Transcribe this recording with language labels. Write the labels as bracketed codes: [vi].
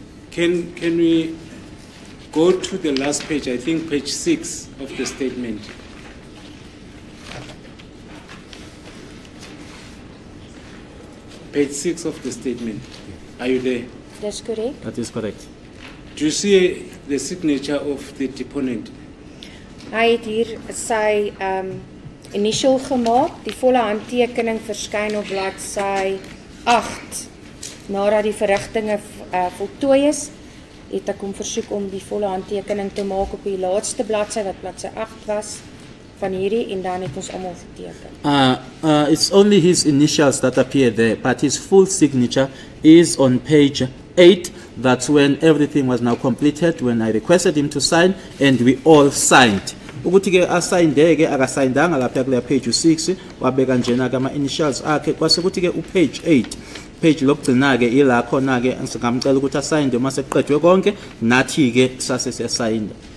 [en] Can we go to the last page, I think page 6 of the statement? Page page 6 of the statement. Are you there? That's correct. That is correct. Do you see the signature of the deponent? [af] Hy het hier sy initial gemaak, die volle handtekening verskyn op bladsy 8. Nadat die verrigtinge voltooi is, het ek hom versoek om die volle handtekening te maak op die laatste bladsy wat bladsy 8 was van hierdie en dan het ons almal geteken. [en] It's only his initials that appear there, but his full signature is on page 8. That's when everything was now completed, when I requested him to sign, and we all signed. [zu] Ukuthi ke asayindeke akasayindanga lapha kule page 6 wabeka njena kama initials akhe kwase kuthi ke u page 8 page lokugcina ke ila khona ke singamcela ukuthi asayinde uma seqedwe konke nathi ke sase siyasayinda.